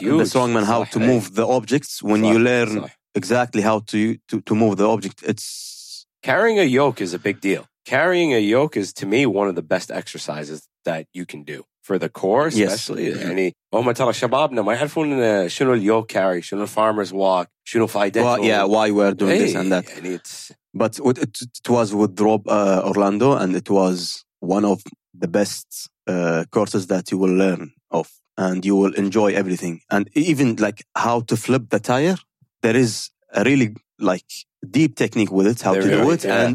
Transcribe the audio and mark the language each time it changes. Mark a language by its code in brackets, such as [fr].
[en] the strong man how to move the objects when you learn exactly how to move the object it's carrying a yoke is a big deal carrying a yoke is to me one of the best exercises that you can do For the core, especially. Yes. [ar] يعني هم ترى شبابنا ما يعرفون شنو اليوك كاري شنو الفارمرز واك شنو فايدته. [en] Well, yeah, why we're doing this and that. [ar] يعني [en] But it was with Rob Orlando and it was one of the best courses that you will learn of and you will enjoy everything. And even like how to flip the tire, there is a really like deep technique with it, how there to really, do it. Yeah.